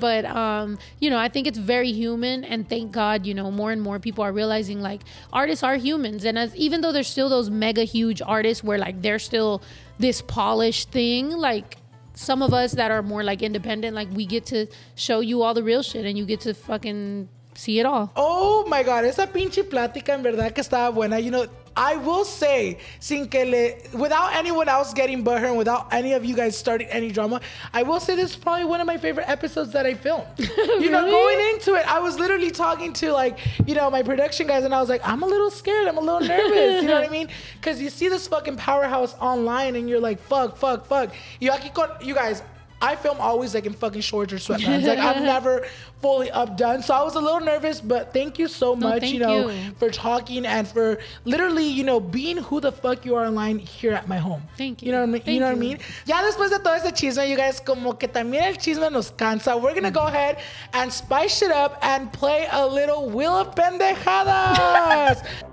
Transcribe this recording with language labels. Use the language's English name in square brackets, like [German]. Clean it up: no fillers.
[English] But, you know, I think it's very human, and thank God, you know, more and more people are realizing, like, artists are humans. And as, even though there's still those mega huge artists where, like, they're still this polished thing, like, some of us that are more like independent, like, we get to show you all the real shit, and you get to fucking see it all. [Spanish] Oh my God, esa pinche plática en verdad que estaba buena. [English] You know, I will say, [Spanish] sin que le, [English] without anyone else getting butthurt, without any of you guys starting any drama, I will say this is probably one of my favorite episodes that I filmed. You really? Know, going into it, I was literally talking to, like, you know, my production guys, and I was like, I'm a little scared, I'm a little nervous, you know what I mean? Because you see this fucking powerhouse online, and you're like, fuck. You guys, I film always, like, in fucking shorts or sweatpants. Like, I'm never fully updone. So I was a little nervous, but thank you so much, thank you for talking and for literally, you know, being who the fuck you are online here at my home. Thank you. You know what I mean? [Spanish] Ya después de todo ese chisme, [English] you guys, [Spanish] como que también el chisme nos cansa, [English] we're going to go ahead and spice it up and play a little Wheel of Pendejadas.